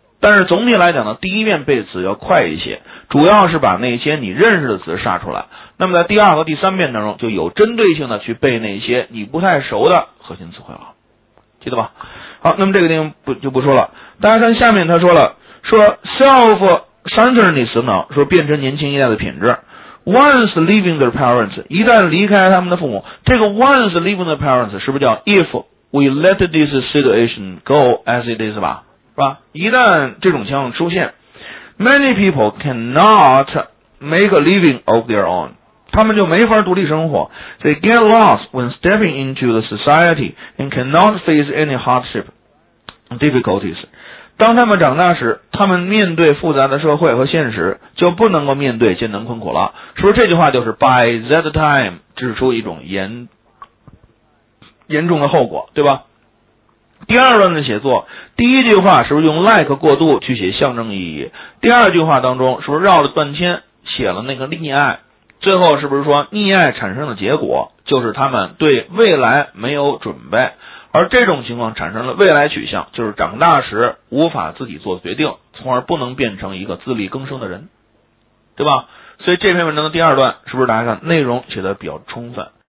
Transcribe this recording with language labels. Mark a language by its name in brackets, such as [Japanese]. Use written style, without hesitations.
[Chinese] 但是总体来讲呢，第一遍背词要快一些，主要是把那些你认识的词杀出来，那么在第二和第三遍当中就有针对性的去背那些你不太熟的核心词汇了，记得吧？好，那么这个地方就不说了。大家看下面他说了，说 selfSentiness 呢，说变成年轻一代的品质。 [English] Once leaving their parents, [Chinese] 一旦离开他们的父母，这个 [English] once leaving their parents [Chinese] 是不是叫 [English] if we let this situation go as it is 吧？ [Chinese] 是吧？一旦这种情况出现 [English] ，many people cannot make a living of their own， [Chinese] 他们就没法独立生活。 [English] They get lost when stepping into the society and cannot face any hardship difficulties。 [Chinese] 当他们长大时，他们面对复杂的社会和现实就不能够面对艰难困苦了。说这句话就是 [English] by that time [Chinese] 指出一种严重的后果，对吧？第二段的写作，第一句话是不是用 like 过渡去写象征意义，第二句话当中是不是绕了半天写了那个溺爱，最后是不是说溺爱产生的结果就是他们对未来没有准备，而这种情况产生了未来取向，就是长大时无法自己做决定，从而不能变成一个自力更生的人，对吧？所以这篇文章的第二段是不是大家看内容写得比较充分，